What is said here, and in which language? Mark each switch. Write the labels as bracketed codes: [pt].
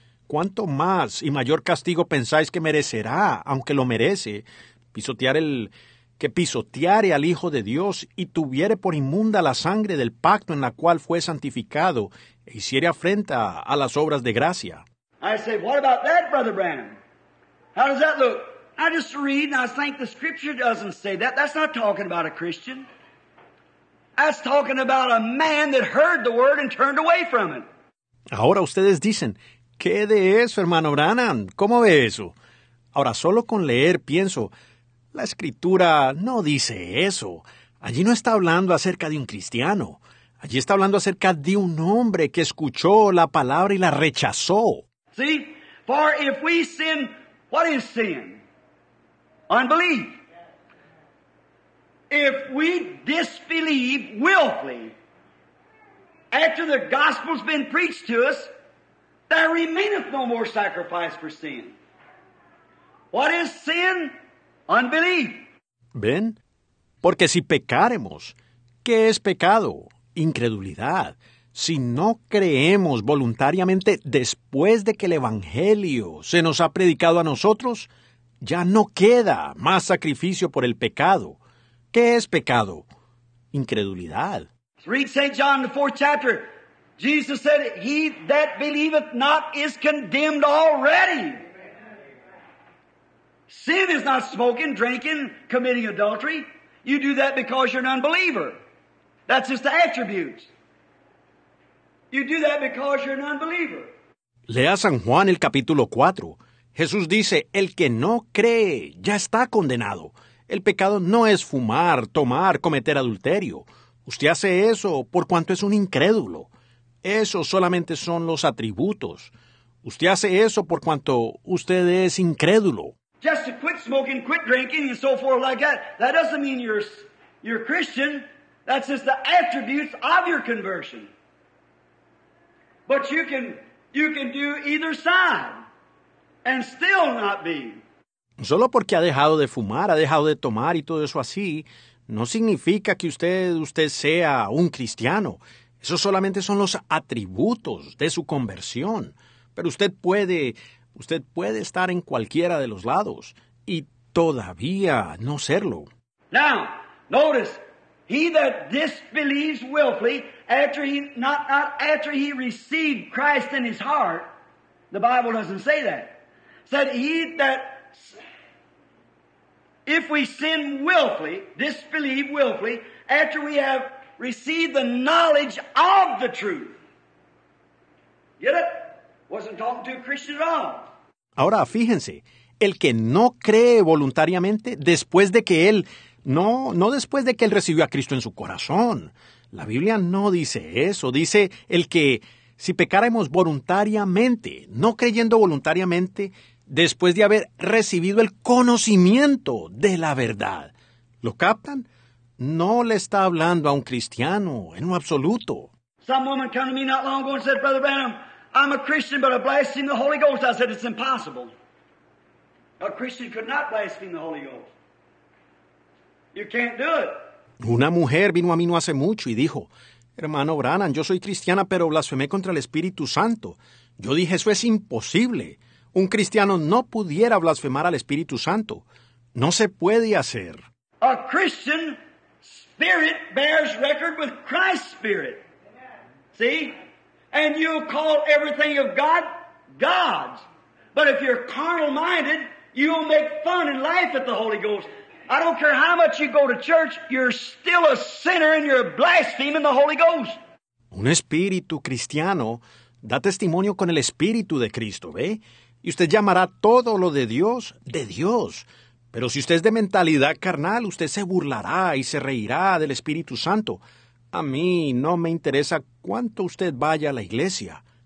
[es] ¿Cuánto más y mayor castigo pensáis que merecerá, aunque lo merece, pisoteare al Hijo de Dios y tuviere por inmunda la sangre del pacto en la cual fue santificado e hiciere afrenta a las obras de gracia? [en] I say, what about that, Brother Branham? How does that look? I just read and I think the Scripture doesn't say that. That's not talking about a Christian. That's talking about a man that heard the word and turned away from it. [es] Ahora ustedes dicen, ¿qué de eso, hermano Branham? ¿Cómo ve eso? Ahora, solo con leer pienso, la Escritura no dice eso. Allí no está hablando acerca de un cristiano. Allí está hablando acerca de un hombre que escuchó la palabra y la rechazó. [en] See? For if we sin, what is sin? Unbelief. If we disbelieve willfully after the gospel's been preached to us, there remaineth no more sacrifice for sin. What is sin? Unbelief. [es] ¿Ven? Porque si pecáremos, ¿qué es pecado? Incredulidad. Si no creemos voluntariamente después de que el Evangelio se nos ha predicado a nosotros, ya no queda más sacrificio por el pecado. ¿Qué es pecado? Incredulidad. [en] Read St. John, the 4th chapter. Jesus said, he that believeth not is condemned already. Sin is not smoking, drinking, committing adultery. You do that because you're an unbeliever. That's just the attributes. You do that because you're an unbeliever. [es] Lea San Juan, el capítulo 4. Jesús dice, el que no cree ya está condenado. El pecado no es fumar, tomar, cometer adulterio. Usted hace eso por cuanto es un incrédulo. Esos solamente son los atributos. Usted hace eso por cuanto usted es incrédulo. [en] Just to quit smoking, quit drinking, and so forth like that, that doesn't mean you're Christian. That's just the attributes of your conversion. But you can do either side and still not be. [es] Solo porque ha dejado de fumar, ha dejado de tomar y todo eso así, no significa que usted sea un cristiano. Eso solamente son los atributos de su conversión. Pero usted puede estar en cualquiera de los lados y todavía no serlo. [en] Now, notice, he that disbelieves willfully after he not after he received Christ in his heart, the Bible doesn't say that. Said he that if we sin willfully, disbelieve willfully, after we have received the knowledge of the truth. Get it? Wasn't talking to a Christian at all. [es] Ahora, fíjense, el que no cree voluntariamente después de que él, no después de que él recibió a Cristo en su corazón. La Biblia no dice eso. Dice el que si pecáramos voluntariamente, no creyendo voluntariamente, después de haber recibido el conocimiento de la verdad. ¿Lo captan? No le está hablando a un cristiano en lo absoluto. [en] Some woman came to me not long ago and said, Brother Branham, I'm a Christian, but I blaspheme the Holy Ghost. I said, it's impossible. A Christian could not blaspheme the Holy Ghost. You can't do it. [es] Una mujer vino a mí no hace mucho y dijo, hermano Branham, yo soy cristiana, pero blasfemé contra el Espíritu Santo. Yo dije, eso es imposible. Un cristiano no pudiera blasfemar al Espíritu Santo. No se puede hacer. [en] A Christian spirit bears record with Christ's spirit. See? And you'll call everything of God, God's. But if you're carnal-minded, you'll make fun and laugh at the Holy Ghost. I don't care how much you go to church, you're still a sinner and you're blaspheming the Holy Ghost. [es] Un espíritu cristiano da testimonio con el Espíritu de Cristo, ¿ve? Y usted llamará todo lo de Dios. Pero si usted es de mentalidad carnal, usted se burlará y se reirá del Espíritu Santo. A mí no me interesa cuánto usted vaya a la iglesia.